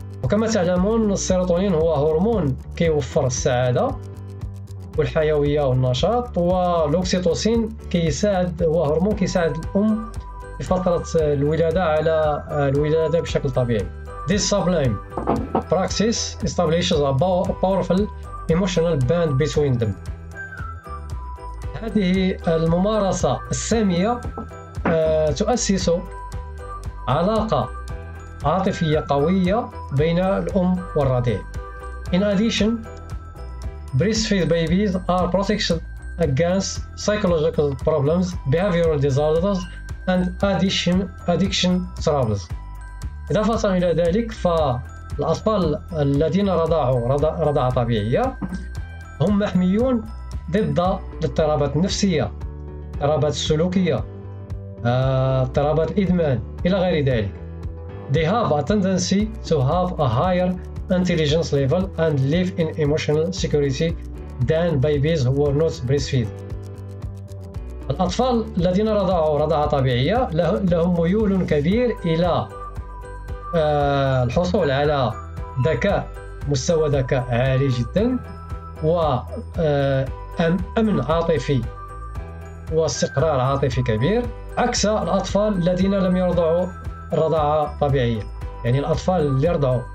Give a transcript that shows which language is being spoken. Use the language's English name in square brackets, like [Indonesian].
[Arabic] وكما تعلمون السيروتونين هو هرمون كيوفر السعادة والحيوية والنشاط، والأوكسيتوسين كيساعد الأم في فترة الولادة على الولادة بشكل طبيعي. [English] This sublime praxis establishes a powerful emotional bond between them. [Arabic] هذه الممارسة السامية تؤسس علاقة عاطفية قوية بين الأم والرضيع. [English] In addition, breastfeed babies are protected against psychological problems, behavioral disorders, and addiction troubles. [Arabic] إضافة إلى ذلك، فالأطفال الذين رضعوا رضاعة طبيعية هم محميون ضد الاضطرابات النفسية، اضطرابات السلوكية، اضطرابات الإدمان إلى غير ذلك. [English] They have a tendency to have a higher intelligence level and live in emotional security than babies who are not breastfed. [Arabic] الأطفال الذين رضعوا رضاعة طبيعية لهم ميول كبير إلى الحصول على مستوى ذكاء عالي جدا وأمن عاطفي واستقرار عاطفي كبير، عكس الأطفال الذين لم يرضعوا رضاعة طبيعية. يعني الأطفال اللي رضعوا